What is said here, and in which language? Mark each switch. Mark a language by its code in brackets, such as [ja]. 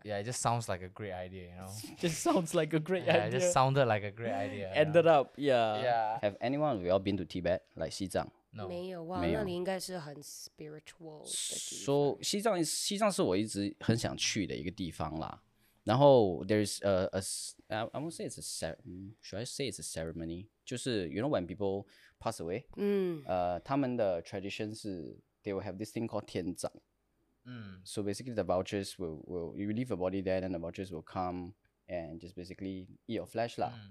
[en] Yeah, it just sounds like a great idea, you know. Just sounds like a great idea. Yeah, it just sounded like a great idea. Ended up, yeah. Yeah. Have anyone of you all been to Tibet, like 西藏？ No, [zh] 没有哇，那你应该是很 spiritual 的地方。 So, 西藏是我一直很想去的一个地方啦。 [en] 然后 there's I won't say it's a should I say it's a ceremony? 就是 you know when people pass away, [zh] 他们的 [en] tradition 是 they will have this thing called 天葬。 So basically the vouchers will you leave your body there, then the vouchers will come and just basically eat your flesh lah.